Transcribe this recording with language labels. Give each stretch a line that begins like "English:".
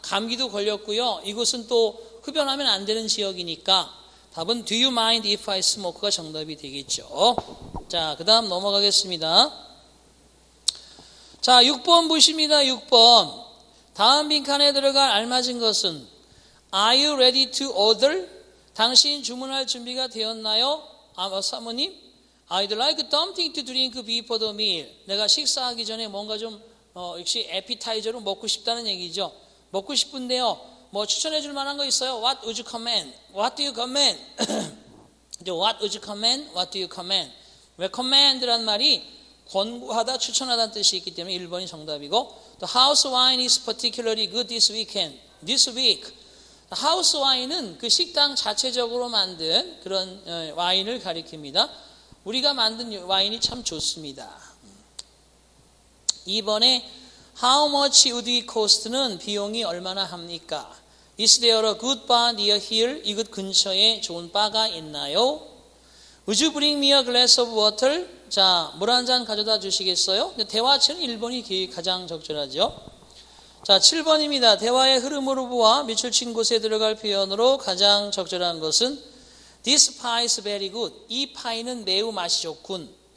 Korean: 감기도 걸렸고요. 이곳은 또 흡연하면 안 되는 지역이니까 답은
English: Do you mind if I smoke?
Korean: 가 정답이 되겠죠. 자, 그 다음 넘어가겠습니다. 자, 6번 보십니다. 6번. 다음 빈칸에 들어갈 알맞은 것은
English: Are you ready to order?
Korean: 당신 주문할 준비가 되었나요? 사모님?
English: I'd like something to drink before the meal.
Korean: 내가 식사하기 전에 뭔가 좀 역시 에피타이저로 먹고 싶다는 얘기죠. 먹고 싶은데요. 뭐 추천해 줄 만한 거 있어요?
English: What would you recommend? What do you recommend? What would you recommend? What do you recommend?
Korean: Recommend라는 말이 권고하다, 추천하다는 뜻이 있기 때문에 1번이 정답이고
English: The house wine is particularly good this weekend. This week.
Korean: 하우스 와인은 그 식당 자체적으로 만든 그런 와인을 가리킵니다. 우리가 만든 와인이 참 좋습니다. 이번에
English: How much would it cost
Korean: 는 비용이 얼마나 합니까?
English: Is there a good bar near here?
Korean: 이곳 근처에 좋은 바가 있나요?
English: Would you bring me a glass of water?
Korean: 자, 물 한 잔 가져다 주시겠어요? 대화체는 1번이 가장 적절하죠. 자, 7번입니다. 대화의 흐름으로 보아 밑줄 친 곳에 들어갈 표현으로 가장 적절한 것은
English: This pie is very good.
Korean: 이 파이는 매우 맛이 좋군.